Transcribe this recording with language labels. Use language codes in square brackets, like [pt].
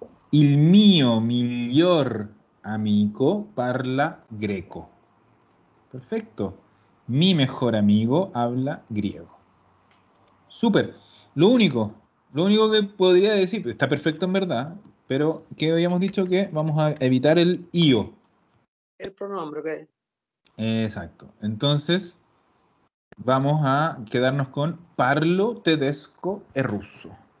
[it] Il mio miglior amico parla greco. [es] Perfecto. Mi mejor amigo habla griego. Súper. Lo único que podría decir, está perfecto en verdad, pero que habíamos dicho que vamos a evitar el io. El pronombre que okay. Exacto. Entonces, vamos a quedarnos con [it] parlo tedesco e russo.